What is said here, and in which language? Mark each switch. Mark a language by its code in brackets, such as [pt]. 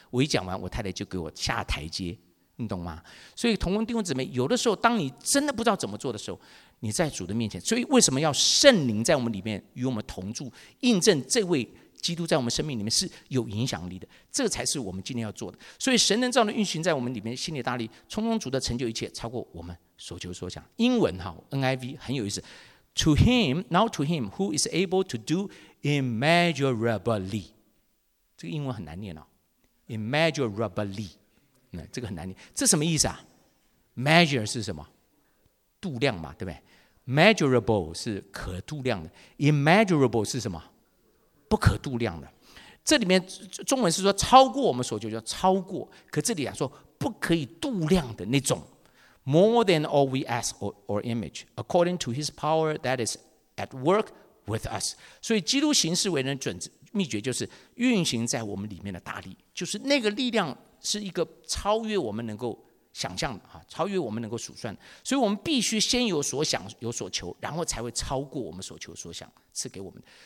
[zh] 我一讲完，我太太就给我下台阶。你懂吗？所以同工弟兄姊妹，有的时候当你真的不知道怎么做的时候，你在主的面前，所以为什么要圣灵在我们里面与我们同住，印证这位基督在我们生命里面是有影响力的，这才是我们今天要做的。所以神能照的运行在我们里面，心里大力充充足的成就一切，超过我们所求所想。英文 NIV 很有意思， [en] To him now to him who is able to do immeasurably， [zh] 这个英文很难念哦， immeasurably，这个很难念，这什么意思啊？ Measure 是什么？度量嘛，对不对？ Measurable 是可度量的， Immeasurable 是什么？不可度量的。这里面中文是说超过我们所求，叫超过，可这里说不可以度量的那种。 [en] More than all we ask or image according to his power that is at work with us。 [zh] 所以基督行事为人准秘诀就是运行在我们里面的大力，就是那个力量是一个超越我们能够想象的，超越我们能够数算的。所以我们必须先有所想有所求，然后才会超过我们所求所想赐给我们。